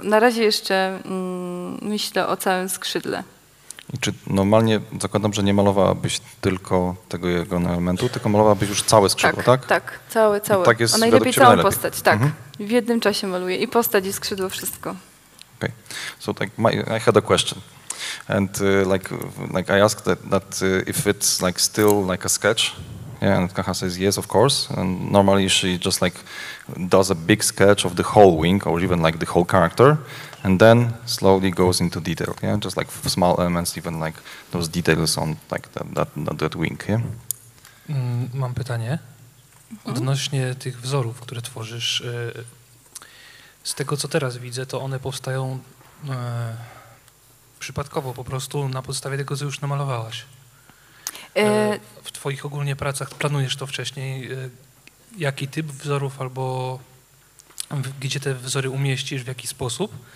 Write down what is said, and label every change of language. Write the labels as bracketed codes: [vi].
[pl] Na razie jeszcze myślę o całym skrzydle. I czy normalnie, zakładam, że nie malowałabyś tylko tego jego elementu, tylko malowałabyś już całe skrzydło, tak? Tak, całe. Tak jest, a najlepiej całą postać, tak. Mm-hmm. W jednym czasie maluję i postać, i skrzydło, wszystko. [en] Okay. So like I had a question. And like I asked that if it's like still like a sketch. Yeah, and Kaha says yes, of course. And normally she just like does a big sketch of the whole wing or even like the whole character. And then slowly goes into detail, yeah, just like small elements, even like those details on like that wing, yeah. [pl] Mam pytanie odnośnie tych wzorów, które tworzysz. Z tego, co teraz widzę, to one powstają przypadkowo, po prostu na podstawie tego, co już namalowałaś. W twoich ogólnie pracach planujesz to wcześniej, jaki typ wzorów albo gdzie te wzory umieścisz, w jaki sposób?